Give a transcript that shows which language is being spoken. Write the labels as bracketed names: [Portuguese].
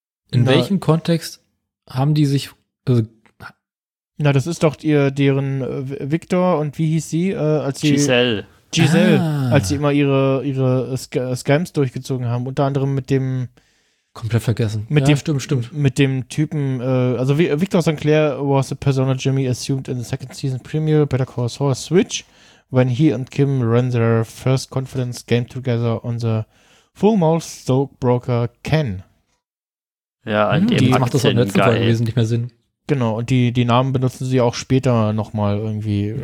[German] Welchem Kontext haben die sich... Na, das ist doch deren Victor und wie hieß sie? Giselle. Als sie immer ihre Scams durchgezogen haben, unter anderem mit dem... Komplett vergessen. Mit dem, stimmt. Mit dem Typen, also [English] Victor Sinclair was the persona Jimmy assumed in the second season premiere Better Call Saul Switch, when he and Kim ran their first confidence game together on the Full Mouth Stockbroker Ken. [German] Ja, an dem Aktien macht das auch letzten Fall wesentlich mehr Sinn. Genau, und die Namen benutzen sie auch später nochmal irgendwie.